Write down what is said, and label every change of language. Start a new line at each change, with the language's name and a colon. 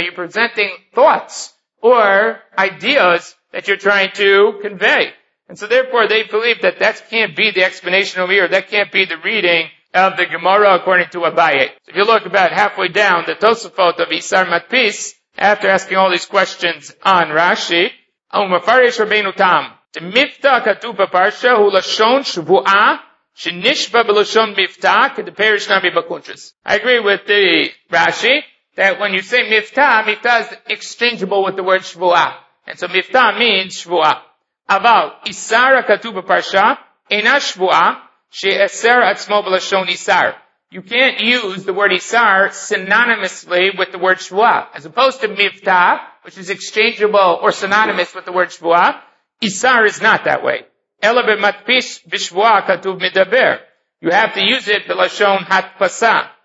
English: You're presenting thoughts or ideas that you're trying to convey. And so therefore, they believe that that can't be the explanation over here. That can't be the reading of the Gemara according to Abaye. So if you look about halfway down, the Tosafot of Isar Matpis, after asking all these questions on Rashi,
Hebrew: ומפרש רבינו תם, מבטא כתוב בפרשה הוא לשון שבועה, שנשבע בלשון מבטא, כדי פרש נביא בקונטרס.
English: I agree with the Rashi, that when you say מבטא, מבטא is exchangeable with the word שבועה. And so מבטא means שבועה.
Hebrew: אבל איסר הכתוב בפרשה, אינה שבועה, שאסר עצמו בלשון איסר.
English: You can't use the word isar synonymously with the word shvua. As opposed to mivta, which is exchangeable or synonymous with the word shvua, isar is not that way.
Hebrew: Ela b'matpish b'shvua katuv midaber.
English: You have to use it
Hebrew: b'lashon hatpasa.